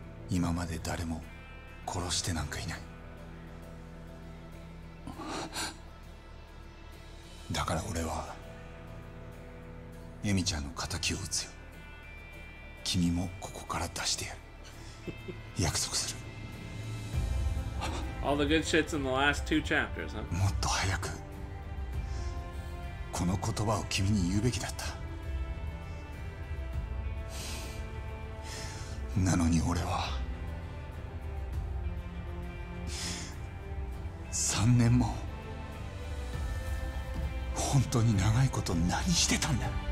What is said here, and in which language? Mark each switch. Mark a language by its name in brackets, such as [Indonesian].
[Japanese] 今まで誰も殺してなんかいない。だから俺はエミちゃんの仇を討つよ。君もここから出してやる。約束する。 [English] All the good shits in the last two chapters, huh? [Japanese] もっと早くこの言葉を君に言うべきだった。なのに俺は3年も本当に長いこと何してたんだ。